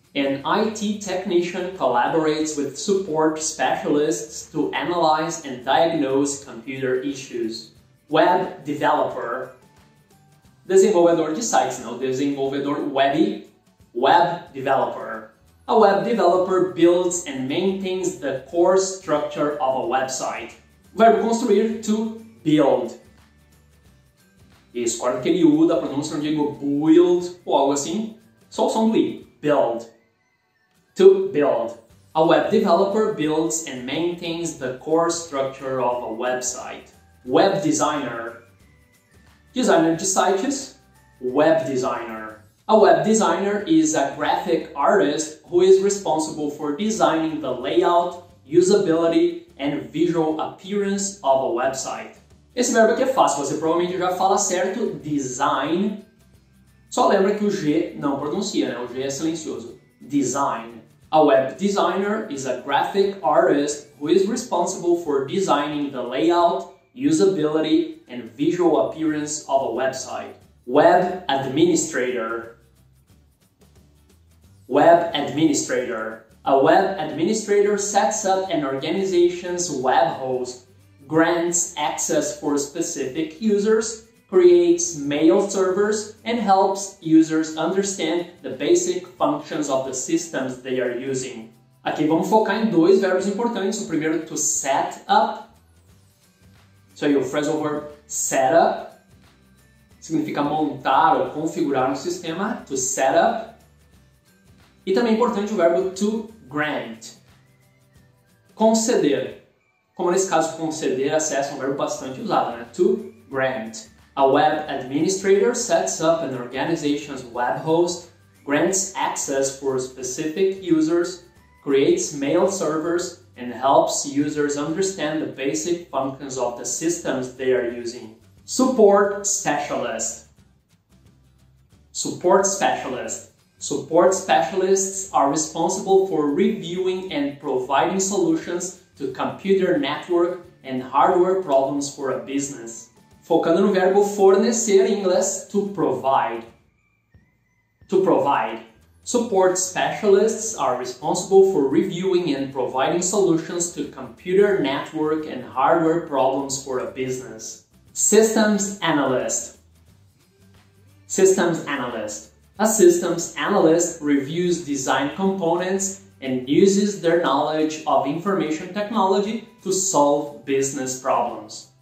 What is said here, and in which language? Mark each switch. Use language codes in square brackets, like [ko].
[en] An IT technician collaborates with support specialists to analyze and diagnose computer issues. [pt] Web developer. Desenvolvedor de sites, não. Desenvolvedor web. Web developer. [en] A web developer builds and maintains the core structure of a website. [pt] O verbo construir, to build. Isso, corta aquele U da pronúncia, onde digo build ou algo assim. Só o som do I, build. To build. [en] A web developer builds and maintains the core structure of a website. [pt] Web designer. Designer de sites, web designer. [en] A web designer is a graphic artist who is responsible for designing the layout, usability, and visual appearance of a website. [pt] Esse verbo aqui é fácil, você provavelmente já fala certo, design. Só lembra que o G não pronuncia, né? O G é silencioso. [en] Design. A web designer is a graphic artist who is responsible for designing the layout, usability, and visual appearance of a website. Web administrator. Web administrator. A web administrator sets up an organization's web host, grants access for specific users, creates mail servers, and helps users understand the basic functions of the systems they are using. [pt] Aqui vamos focar em dois verbos importantes. O primeiro, to set up. So, o phrasal verb set up significa montar ou configurar um sistema. To set up. E também é importante o verbo to grant, conceder. como nesse caso conceder acesso, um verbo bastante usado, né? [en] To grant. A web administrator sets up an organization's web host, grants access for specific users, creates mail servers, and helps users understand the basic functions of the systems they are using. Support specialist. Support specialist. Support specialists are responsible for reviewing and providing solutions to computer network and hardware problems for a business. [pt] Focando no verbo fornecer em inglês, to provide. [en] To provide. Support specialists are responsible for reviewing and providing solutions to computer network and hardware problems for a business. Systems analyst. Systems analyst. A systems analyst reviews design components and uses their knowledge of information technology to solve business problems.